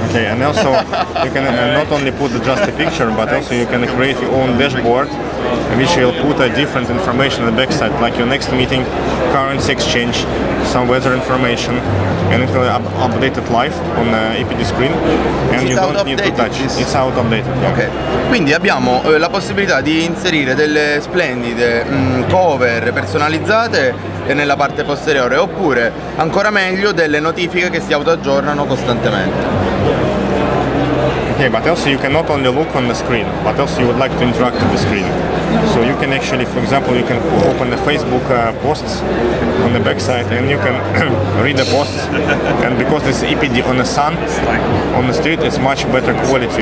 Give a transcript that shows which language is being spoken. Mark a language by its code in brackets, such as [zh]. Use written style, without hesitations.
[en] Okay, and also you can not only put just a picture, but also you can create your own dashboard, which will put a different information on the backside, like your next meeting, currency exchange, some weather information, and it will updated live on the IPD screen, and you don't need to touch. It's out updated. Yeah. Okay. [it] Quindi abbiamo la possibilità di inserire delle splendide cover personalizzate nella parte posteriore, oppure ancora meglio delle notifiche che si autoaggiornano costantemente. [en] Okay, but also you can not only look on the screen, but also you would like to interact with the screen. So you can actually, for example, you can open the Facebook posts on the backside, and you can read the posts. And because this IPD on the sun, on the street, is much better quality.